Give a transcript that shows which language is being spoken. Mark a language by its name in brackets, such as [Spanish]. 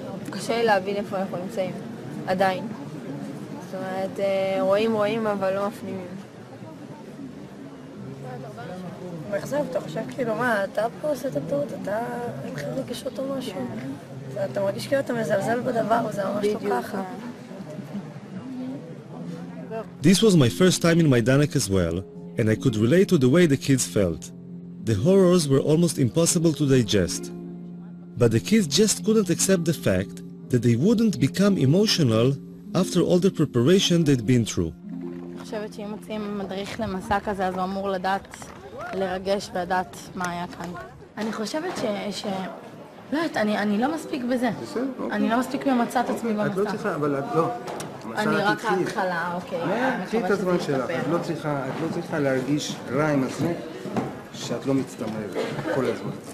[Hebrew] קשה לי להבין איפה אנחנו נמצאים. עדיין. זאת אומרת, רואים רואים, אבל לא מפנימים. מאכזב, אתה חושב כאילו, מה, אתה פה עושה את הטעות, אתה אין לך רגשות או משהו? אתה מרגיש כאילו אתה מזלזל בדבר, זה ממש לא ככה. [English] This was my first time in Majdanek as well, and I could relate to the way the kids felt. The horrors were almost impossible to digest. But the kids just couldn't accept the fact that they wouldn't become emotional after all the preparation they'd been through. I think that if you have a [Hebrew] מדריך למסע כזה, אז הוא אמור לדעת לרגש ולדעת מה היה כאן. אני חושבת ש... לא יודעת, אני לא מספיק בזה. אני לא מספיק ממצא את עצמי במסע. את לא צריכה, אבל את לא. אני רק ההתחלה, אוקיי. תהי את הזמן שלך, את לא צריכה להרגיש רע עם עצמי שאת לא מצטמררת כל הזמן.